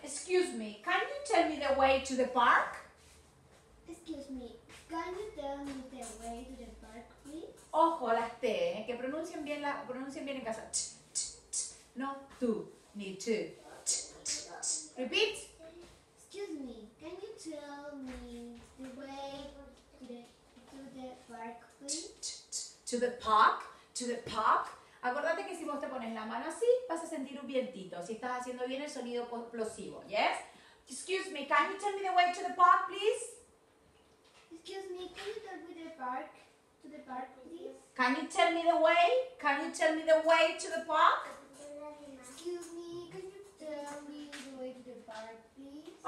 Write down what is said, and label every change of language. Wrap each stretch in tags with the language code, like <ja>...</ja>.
<en>Excuse me, can you tell me the way to the park? Excuse me, can you tell me the way to the park, please?</en> <es>Ojo, las T, que pronuncien bien, en casa. Ch, ch, ch. No tú, ni tú. Ch, ch, ch.</es> <en>Repeat. Excuse me, can you tell me the way to the park, please? Ch, ch, ch. To the park, to the park.</en> <es>Acordate que si vos te pones la mano así, vas a sentir un vientito. Si estás haciendo bien el sonido explosivo, yes?</es> <en>Excuse me, can you tell me the way to the park, please? Excuse me, can you tell me the park, to the park, please? Can you tell me the way? Can you tell me the way to the park? Excuse me, can you tell me the way to the park, please?</en>